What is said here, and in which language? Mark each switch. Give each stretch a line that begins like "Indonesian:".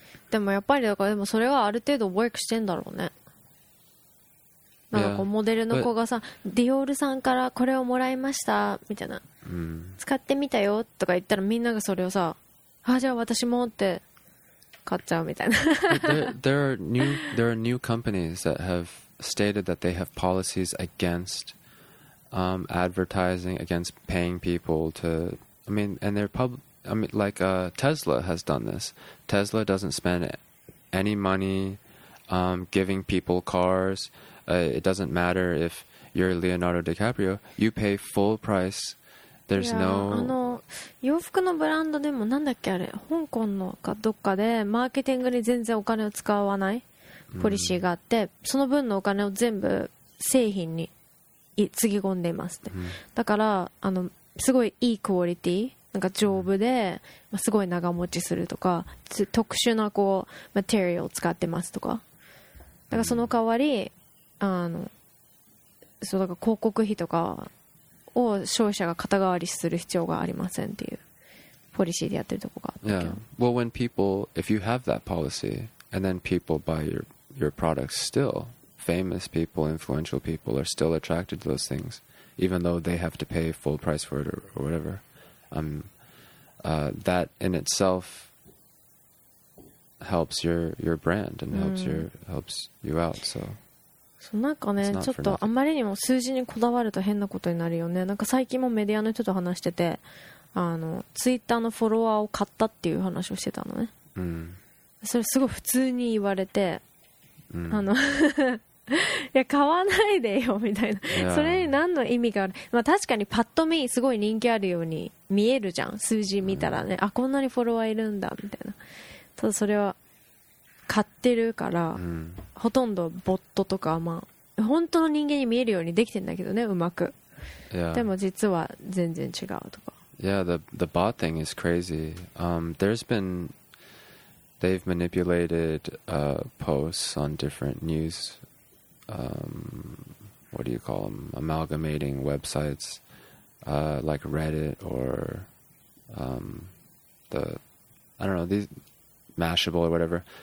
Japanese: でもやっぱりだから、でもそれはある程度 work してんだろうね。なんかこう、
English: yeah.
Japanese: モデルの子がさ、ディオールさんからこれをもらいました、みたいな。 Mm. 使ってみたよ、とか言ったらみんながそれをさ、あ、じゃあ私もって買っちゃうみたいな。
English: there are new companies that have... stated that they have policies against、advertising, against paying people to, I mean, and they're Tesla has done this. Tesla doesn't spend any money、giving people cars.、it doesn't matter if you're Leonardo DiCaprio, you pay full price. There's、 yeah, no...
Japanese: あの洋服のブランドでもなんだっけあれ、香港のかどっかでマーケティングに全然お金を使わないポリシーがあって、その分のお金を全部製品につぎ込んでいますって。だからあのすごいいいクオリティ、なんか丈夫ですごい長持ちするとか、特殊なこうマテリアルを使ってますとか。だからその代わりあのそう、だから広告費とかを消費者が肩代わりする必要がありませんっていうポリシーでやってるとこがあったけど。
English: Yeah. Well, when people, if you have that policy and then people buy your products still, famous people, influential people are still attracted to those things even though they have to pay full price for it or whatever. That in itself helps your brand and helps you out. So,
Japanese: そうなんかね、ちょっとあまりにも数字にこだわると変なことになるよね。なんか最近もメディアの人と話してて、あのツイッターのフォロワーを買ったっていう話をしてたのね。それすごい普通に言われて、あのいや買わないでよみたいな、
English: yeah.
Japanese: それに何の意味がある、まあ、確かにパッと見すごい人気あるように見えるじゃん、数字見たらね、あこんなにフォロワーいるんだみたいな。ただそれは買ってるから、ほとんどボットとか、まあ本当の人間に見えるようにできてんだけどね、うまく、
English: yeah.
Japanese: でも実は全然違うとか。
English: Yeah, the bot thing is crazy. There's been they've manipulated posts on different newsWhat do you call them? Amalgamating websites like Reddit or the, I don't know, these Mashable or whatever.